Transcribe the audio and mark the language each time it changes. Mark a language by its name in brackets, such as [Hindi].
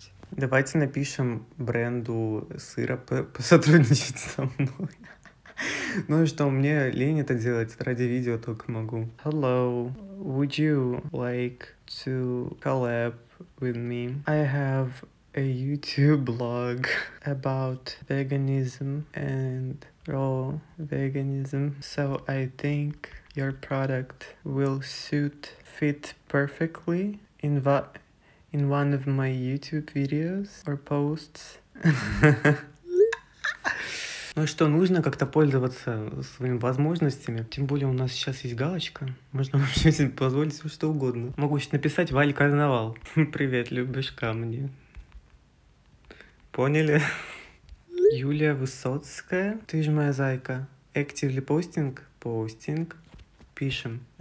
[Russian] Давайте напишем бренду сыра посотрудничать со мной. Ну и что, мне лень это делать, ради видео только могу. [English] Hello, would you like to collab with me? I have a YouTube blog about veganism and raw veganism. So I think your product will fit perfectly in one of my YouTube videos or posts. [Russian] Ну что, нужно как-то пользоваться своими возможностями. Тем более у нас сейчас есть галочка. Можно вообще себе позволить все что угодно. Могу сейчас написать: Валь Карнавал. Привет, любишь камни. Поняли? Юлия Высоцкая. Ты же моя зайка. [English] Actively posting? Posting. [Russian] Пишем.